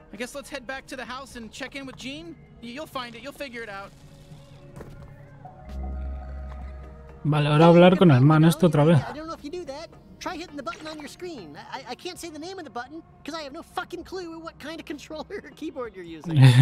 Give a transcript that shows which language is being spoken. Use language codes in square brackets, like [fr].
[en] I guess let's head back to the house and check in with Jean. You'll find it. You'll figure it out. [es] Vale, ahora hablar con el man esto otra vez. [en] I don't know if you do that. Try hitting the button on your screen. I can't say the name of the button because I have no fucking clue what kind of controller or keyboard you're using.